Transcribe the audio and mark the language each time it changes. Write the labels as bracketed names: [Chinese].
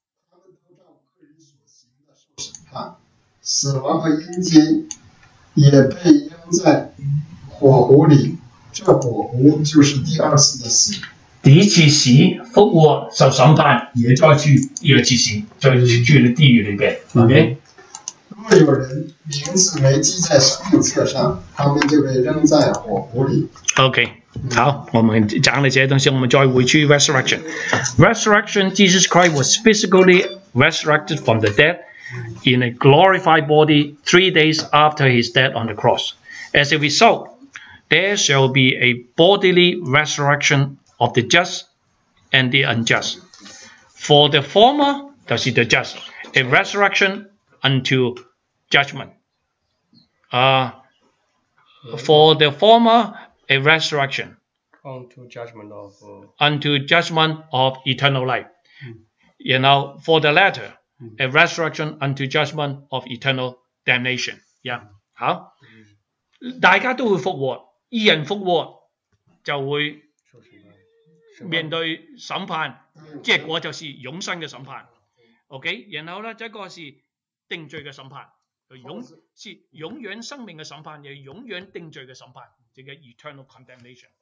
[Chinese] 他们都照个人所行的受审判，死亡和阴间也被扔在火湖里，这火湖就是第二次的死。第一次死，复活受审判，也再去第二次死，就是去了地狱里边。 OK，如果有人名字没记在生命册上，他们就被扔在火湖里。 OK。 好，我们讲了这些东西，我们再回去 resurrection。 [English] Resurrection, Jesus Christ was physically resurrected from the dead in a glorified body 3 days after his death on the cross. As a result, there shall be a bodily resurrection of the just and the unjust. For the former, that is the just, a resurrection unto judgment. For the former, a resurrection. unto judgment of eternal life. You know, for the latter, a resurrection unto judgment of eternal damnation. Yeah. [Chinese] 好，大家都会复活，义人复活就会面对审判，结果就是永生嘅审判。 OK， 然后咧，这个是定罪嘅审判，是永远生命嘅审判，又永远定罪嘅审判，这个 [English] eternal condemnation。